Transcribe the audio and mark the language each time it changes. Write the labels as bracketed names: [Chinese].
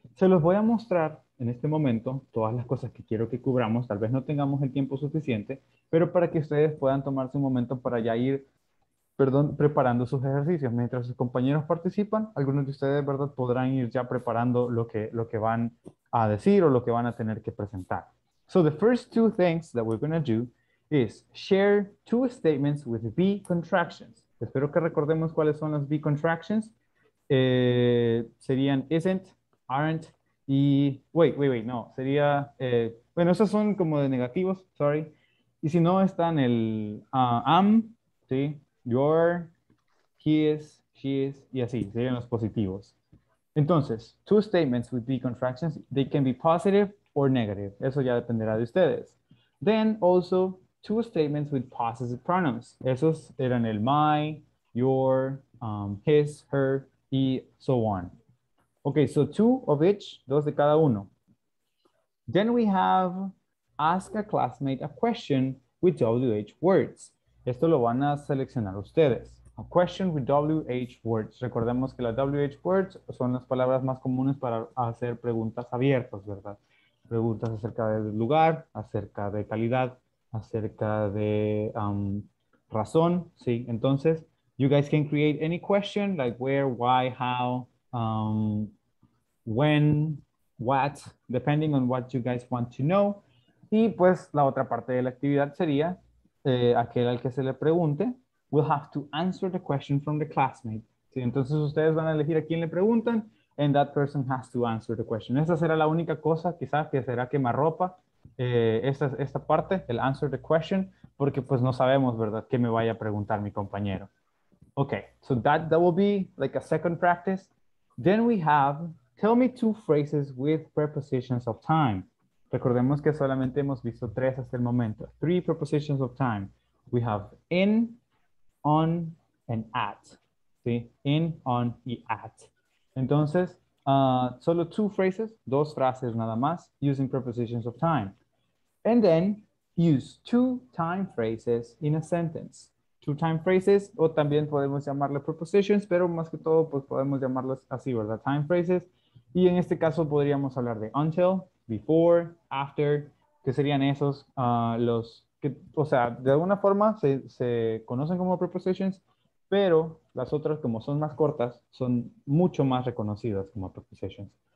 [Spanish] Se los voy a mostrar en este momento, todas las cosas que quiero que cubramos, tal vez no tengamos el tiempo suficiente, pero para que ustedes puedan tomarse un momento para ya ir, perdón, preparando sus ejercicios. Mientras sus compañeros participan, algunos de ustedes, ¿verdad?, podrán ir ya preparando lo que van a decir o lo que van a tener que presentar. [English] So the first two things that we're going to do is share two statements with be contractions. [Spanish] Espero que recordemos cuáles son las be contractions. Serían [English] isn't, aren't, [Spanish] y [English] wait, no, [Spanish] sería, bueno, esos son como de negativos, [English] sorry. [Spanish] Y si no, están el [English] am, [Spanish] ¿sí? [English] Your, he is, she is, [Spanish] y así, serían los positivos. Entonces, [English] two statements with be contractions, they can be positive or negative. [Spanish] Eso ya dependerá de ustedes. [English] Then, also, two statements with possessive pronouns. [Spanish] Esos eran el [English] my, your, his, her, y so on. Okay, so two of each, [Spanish] dos de cada uno. [English] Then we have ask a classmate a question with WH words. [Spanish] Esto lo van a seleccionar ustedes. [English] A question with WH words. [Spanish] Recordemos que las WH words son las palabras más comunes para hacer preguntas abiertas, ¿verdad? Preguntas acerca del lugar, acerca de calidad, acerca de razón, ¿sí? Entonces, [English] you guys can create any question like where, why, how, when, what, depending on what you guys want to know. [Spanish] Y pues la otra parte de la actividad sería aquel al que se le pregunte [English] will have to answer the question from the classmate. [Spanish] Sí, entonces ustedes van a elegir a quién le preguntan [English] and that person has to answer the question. [Spanish] Esa será la única cosa quizás que será quemarropa, esta parte, el [English] answer the question, [Spanish] porque pues no sabemos, ¿verdad?, qué me vaya a preguntar mi compañero. [English] Okay, so that will be like a second practice. Then we have, tell me two phrases with prepositions of time. [Spanish] Recordemos que solamente hemos visto tres hasta el momento. [English] Three prepositions of time. We have in, on, and at. [Spanish] ¿Sí? [English] In, on, y at. [Spanish] Entonces, solo [English] two phrases, [Spanish] dos frases nada más, [English] using prepositions of time. And then, use two time phrases in a sentence. Two time phrases, [Spanish] o también podemos llamarle prepositions, pero más que todo, pues podemos llamarlas así, ¿verdad? [English] Time phrases. [Spanish] Y en este caso podríamos hablar de [English] until, before, after, [Spanish] ¿Qué serían esos? Los que, o sea, de alguna forma se conocen como prepositions, pero las otras, como son más cortas, son mucho más reconocidas como prepositions.